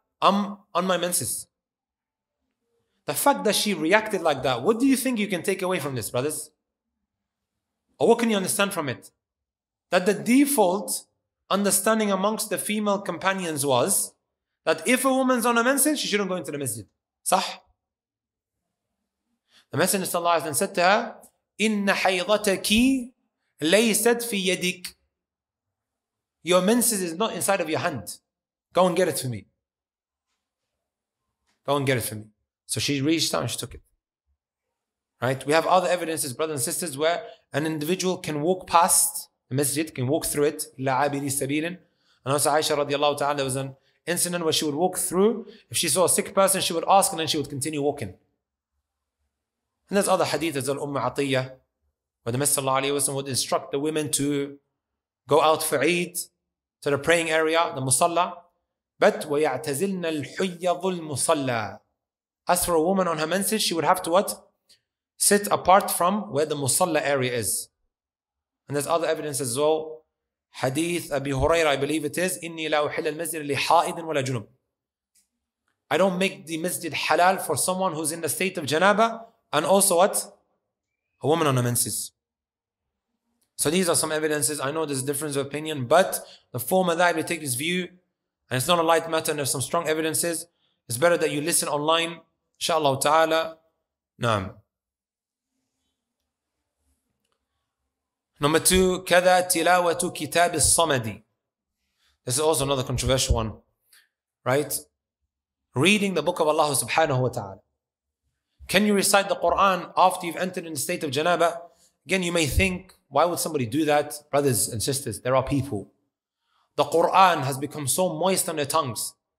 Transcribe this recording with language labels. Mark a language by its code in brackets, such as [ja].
[en] I'm on my menses. The fact that she reacted like that, what do you think you can take away from this, brothers? Or what can you understand from it? That the default understanding amongst the female companions was that if a woman's on a menses, she shouldn't go into the masjid. [ar] صح? [en] The Messenger [ar] صلى الله عليه وسلم [en] said to her, [ar] إِنَّ حَيْضَتَكِ لَيْسَتْ فِي يَدِكْ. [en] Your menses is not inside of your hand. Go and get it for me. Go and get it for me. So she reached out and she took it. Right? We have other evidences, brothers and sisters, where an individual can walk past the masjid, can walk through it. [ar] لَعَابِرِي سَبِيلٍ. [en] And also Aisha radiallahu ta'ala, was an incident where she would walk through. If she saw a sick person, she would ask and then she would continue walking. And there's other hadith as Umm Atiyyah, where the Messenger sallallahu alayhi wa sallam would instruct the women to go out for Eid to the praying area, the musalla. But [ar] وَيَعْتَزِلْنَا الْحُيَّضُ الْمُصَلَّى. [en] As for a woman on her menses, she would have to what? Sit apart from where the musalla area is. And there's other evidence as well. Hadith Abi Huraira, I believe it is, [ar] إِنِّي لَا أُحِلَّ الْمَسْجِدَ لِحَائِدٍ وَلَا جُنُبٍ. [en] I don't make the masjid halal for someone who's in the state of janaba and also what? A woman on her menses. So these are some evidences. I know there's a difference of opinion, but the former that we take this view, and it's not a light matter, and there's some strong evidences. It's better that you listen online, inshallah ta'ala. [ar] Naam. [en] Number two, [ar] كَذَا تِلَاوَةُ كِتَابِ الصَّمَدِ. [en] This is also another controversial one, right? Reading the book of Allah subhanahu wa ta'ala. Can you recite the Quran after you've entered in the state of janaba? Again, you may think, why would somebody do that? Brothers and sisters, there are people. The Quran has become so moist on their tongues.